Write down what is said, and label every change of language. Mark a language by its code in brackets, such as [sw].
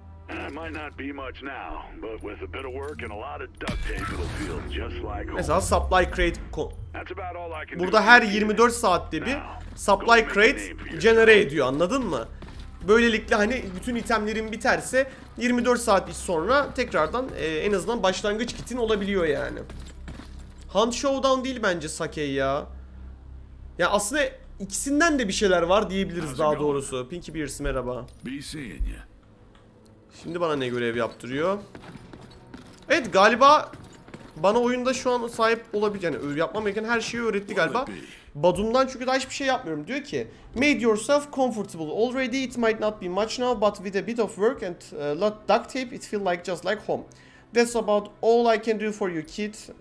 [en] I might not be much now, but with a bit of work and a lot of duct tape it'll feel just like home. [tr] Mesela supply crate. Burada her 24 saatte bir supply crate genere ediyor, anladın mı? Böylelikle hani bütün itemlerin biterse 24 saat sonra tekrardan en azından başlangıç kitin olabiliyor yani. Hunt Showdown değil bence sake ya. Ya aslında ikisinden de bir şeyler var diyebiliriz daha doğrusu. Pinky Bears merhaba. Şimdi bana ne görev yaptırıyor? Evet, galiba bana oyunda şu an sahip olabileceğini, yani yapmam gereken her şeyi öğretti galiba. Badum'dan çünkü daha hiçbir şey yapmıyorum. Diyor ki, [en] made yourself comfortable already, it might not be much now but with a bit of work and lot duct tape it feel like just like home. That's about all I can do for you kid.